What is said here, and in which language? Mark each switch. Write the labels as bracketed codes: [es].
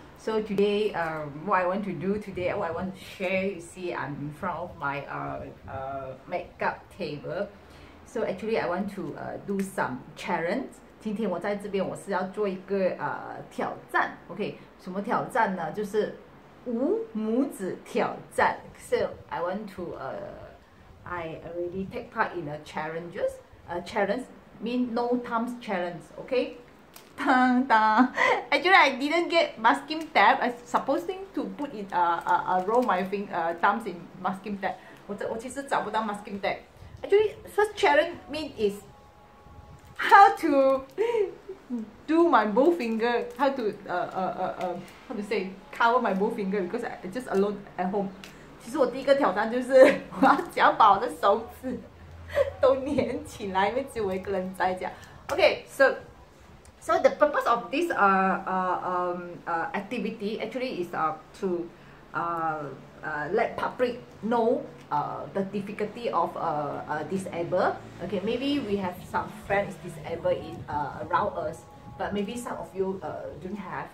[en] So today, what I want to do today, what I want to share, you see, I'm in front of my makeup table. So actually, I want to do some challenge. [zh] 今天我在这边，我是要做一个挑战。 OK, 什么挑战呢？就是无拇指挑战。 [en] So I want to I already take part in a challenges. Challenge mean no thumbs challenge. Okay. Dang dang. Actually, I didn't get masking tape. I supposing to put it roll my finger thumbs in masking tape. [zh] 我其实找不到 [en] masking tape. Actually, first challenge mean is how to do my both finger. How to how to say cover my both finger because I just alone at home. [zh] 其实我第一个挑战就是我要只要把我的手指都粘起来，因为只有我一个人在家。 [en] Okay, so the purpose of this activity actually is let public know the difficulty of disabled. Okay, maybe we have some friends disabled in around us, but maybe some of you don't have.